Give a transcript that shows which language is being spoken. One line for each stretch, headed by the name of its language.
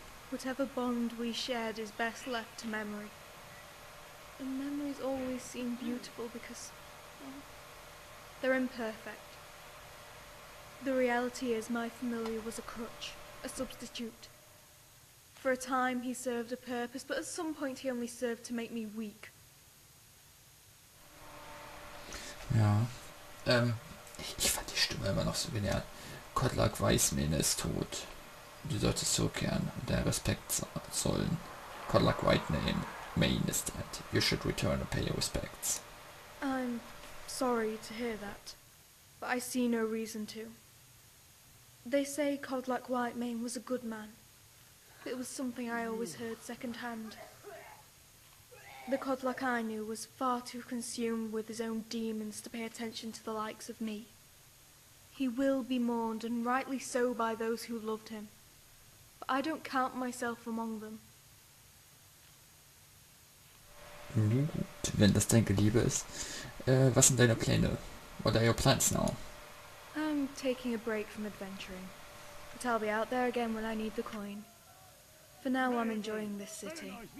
English: Whatever bond we shared is best left to memory. And memories always seem beautiful because they're imperfect. The reality is my familiar was a crutch, a substitute. For a time he served a purpose, but at some point he only served to make me weak.
German: Ja, ich fand die Stimme immer noch so genial. Kodlak Weißmähne ist tot. Du solltest zurückkehren und deinen Respekt zollen.
English: Kodlak Whitemane ist dead. You should return and pay your respects. I'm sorry to hear that, but I see no reason to. They say Kodlak Whitemane was a good man. It was something I always heard secondhand. The Kodlak I knew was far too consumed with his own demons to pay attention to the likes of me. He will be mourned, and rightly so, by those who loved him. But I don't count myself among them.
German: Gut, wenn das dein Geliebe ist. Was sind deine Pläne?
English: What are your plans now? I'm taking a break from adventuring. But I'll be out there again when I need the coin. For now I'm enjoying this city.